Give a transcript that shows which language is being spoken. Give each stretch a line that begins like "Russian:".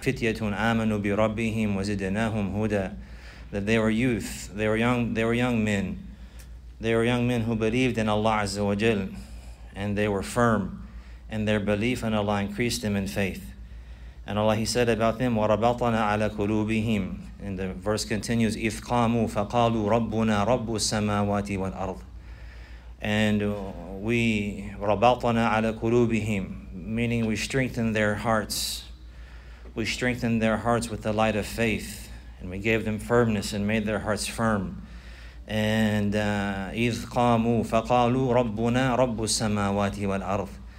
Arabic: Fityatun amanu bi rabbihim wa zidnahum huda.
English: That they were youth, they were young men. They were young men who believed in Allah azza wa jal, and they were firm in their belief, and Allah increased them in faith. And Allah, he said about them,
Arabic: وَرَبَطَنَا عَلَى قُلُوبِهِمْ.
English: And the verse continues,
Arabic: إِذْ قَامُوا فَقَالُوا رَبُّنَا رَبُّ السَّمَاوَاتِ وَالْأَرْضِ.
English: And we,
Arabic: رَبَطَنَا عَلَى قُلُوبِهِمْ,
English: meaning we strengthened their hearts. We strengthened their hearts with the light of faith, and we gave them firmness and made their hearts firm.
Arabic: And إِذْ قَامُوا فَقَالُوا رَبُّنَا رَبُّ السَّمَاوَاتِ وَالْأَرْضِ.